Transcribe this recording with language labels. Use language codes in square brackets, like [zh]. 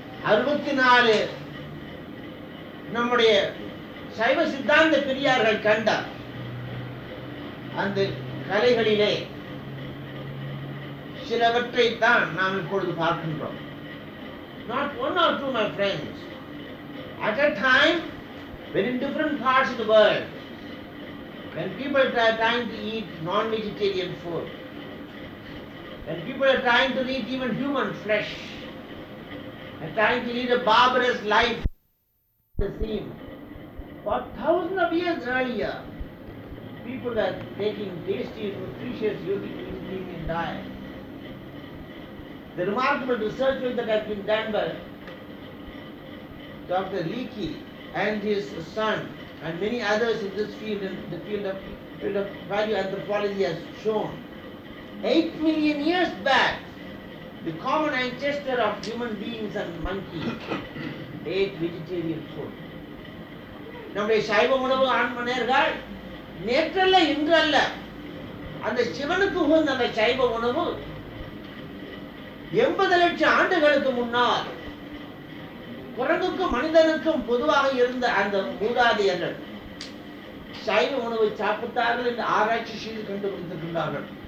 [ta] 64 நம்முடைய சைவ சித்தாந்த பெரியார்கள் கண்ட அந்த கலைகளிலே சிலவற்றை தான் நாம் இப்பொழுது பார்க்கின்றோம். [en] Not one or two, my friends. At a time when in different parts of the world, when people are trying to eat non-vegetarian food, when people are trying to eat even human flesh, and trying to lead a barbarous life, the same. For thousands of years earlier, people were taking tasty, nutritious yogic Indian diet. The remarkable research that has been done by Dr. Leakey and his son and many others in this field, in the field of value anthropology, has shown 8 million years back, the common ancestor of human beings and monkeys ate vegetarian food. [ta] நம்முடைய சைவ உணவு ஆன்மனேர்கள் நேற்றல்ல இன்று அல்ல, அந்த சிவனுக்கு உகந்த அந்த சைவ உணவு 80 லட்சம் ஆண்டுகளுக்கு முன்னால் குரங்குக்கும் மனிதனுக்கும் பொதுவாக இருந்த அந்த மூதாதையர்கள் சைவ உணவை சாப்பிட்டார்கள் என்று ஆராய்ச்சி செய்து கண்டுபிடித்திருக்கின்றார்கள்.